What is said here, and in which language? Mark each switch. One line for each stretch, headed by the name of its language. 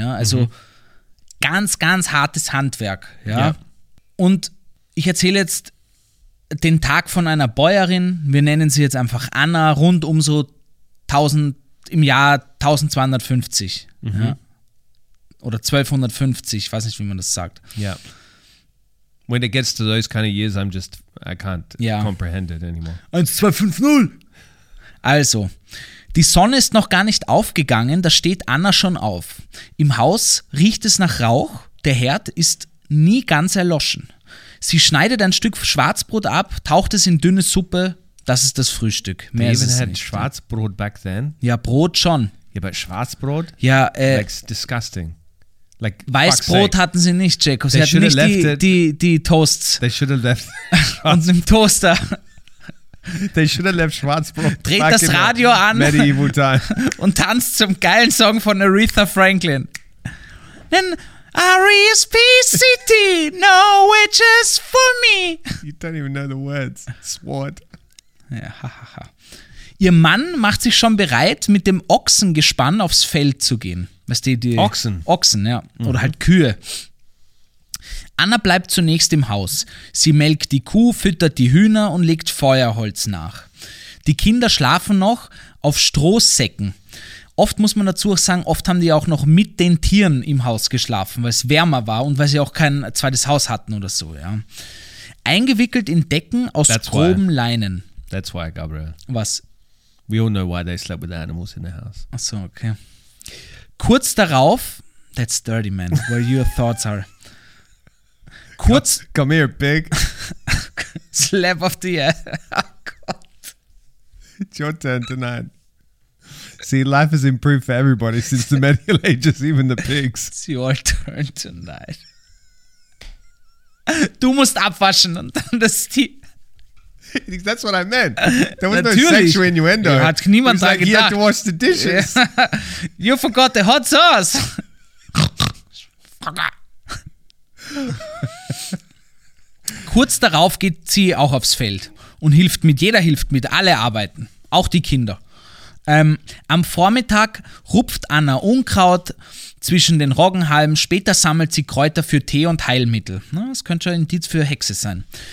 German: Ja? Also ganz, ganz hartes Handwerk. Ja? Ja. Und ich erzähle jetzt den Tag von einer Bäuerin. Wir nennen sie jetzt einfach Anna, rund um so 1000, im Jahr 1250. Ja? Oder 1250, ich weiß nicht, wie man das sagt. Ja.
English: When it gets to those kind of years, I can't comprehend it anymore. 1, 2, 5, 0!
German: Also, die Sonne ist noch gar nicht aufgegangen, da steht Anna schon auf. Im Haus riecht es nach Rauch, der Herd ist nie ganz erloschen. Sie schneidet ein Stück Schwarzbrot ab, taucht es in dünne Suppe, das ist das Frühstück. Mehr ist es nicht.
English: They even had Schwarzbrot back then?
German: Ja, Brot schon. Ja, aber Schwarzbrot? Ja,
English: Like, disgusting. Like,
German: Weißbrot hatten sie nicht, Jacob. Sie hatten nicht die Toasts.
English: They should have left.
German: Und im Toaster.
English: They should have left Schwarzbrot.
German: Dreht das Radio an.
English: Medieval time.
German: Und tanzt zum geilen Song von Aretha Franklin.
English: Then RESPCT, no witches for me. You don't even know the words. Sword.
German: Ihr Mann macht sich schon bereit, mit dem Ochsengespann aufs Feld zu gehen. Weißt du, die Ochsen. Ochsen, ja. Oder halt Kühe. Anna bleibt zunächst im Haus. Sie melkt die Kuh, füttert die Hühner und legt Feuerholz nach. Die Kinder schlafen noch auf Strohsäcken. Oft muss man dazu auch sagen, oft haben die auch noch mit den Tieren im Haus geschlafen, weil es wärmer war und weil sie auch kein zweites Haus hatten oder so, ja. Eingewickelt in Decken aus groben Leinen.
English: That's why, Gabriel.
German: Was?
English: We all know why they slept with animals in the house.
German: Ach so, okay. Kurz darauf,
English: that's dirty, man, where your thoughts are.
German: Kurz.
English: Come here, pig. Slap of the air. Oh, God. It's your turn tonight. See, life has improved for everybody since the medieval ages, even the pigs. It's your turn tonight.
German: Du musst abwaschen und dann das Tier.
English: That's what I meant. There was no sexual innuendo.
German: Ja, hat niemand
English: like,
German: gedacht.
English: You have to wash the dishes. Yeah. You forgot the hot sauce.
German: Kurz darauf geht sie auch aufs Feld und hilft mit. Jeder hilft mit. Alle arbeiten. Auch die Kinder. Am Vormittag rupft Anna Unkraut zwischen den Roggenhalmen. Später sammelt sie Kräuter für Tee und Heilmittel. Na, das könnte schon ein Indiz für Hexe sein.